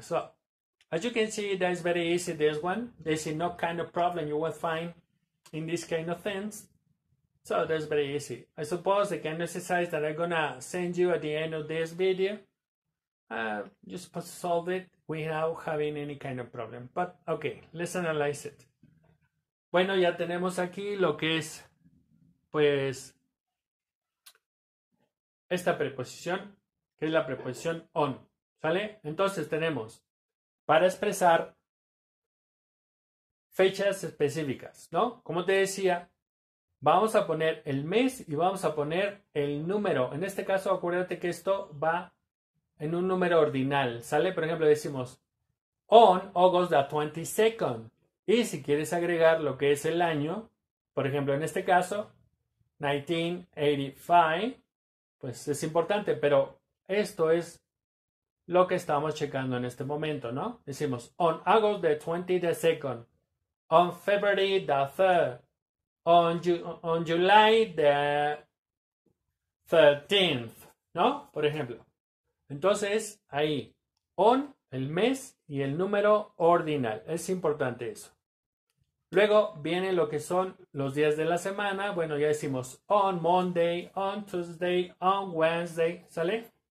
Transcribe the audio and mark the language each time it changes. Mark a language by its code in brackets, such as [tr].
[en] So, as you can see, that is very easy, this one. There's no kind of problem you will find in these kind of things. So, that's very easy. I suppose the kind of exercise that I'm going to send you at the end of this video, you're supposed to solve it without having any kind of problem. But, okay, let's analyze it. [es] Bueno, ya tenemos aquí lo que es, pues, esta preposición, que es la preposición on, ¿sale? Entonces tenemos, para expresar fechas específicas, ¿no? Como te decía, vamos a poner el mes y vamos a poner el número. En este caso, acuérdate que esto va en un número ordinal, ¿sale? Por ejemplo, decimos, [en] on August the 22nd. [es] Y si quieres agregar lo que es el año, por ejemplo, en este caso, 1985, pues es importante, pero esto es lo que estamos checando en este momento, ¿no? Decimos, [en] on August the 22nd, on February the 3rd, on July the 13th, [es] ¿no? Por ejemplo. Entonces, ahí, on el mes y el número ordinal. Es importante eso. Luego viene lo que son los días de la semana. Bueno, ya decimos [en] on Monday, on Tuesday, on Wednesday, [es] ¿sale?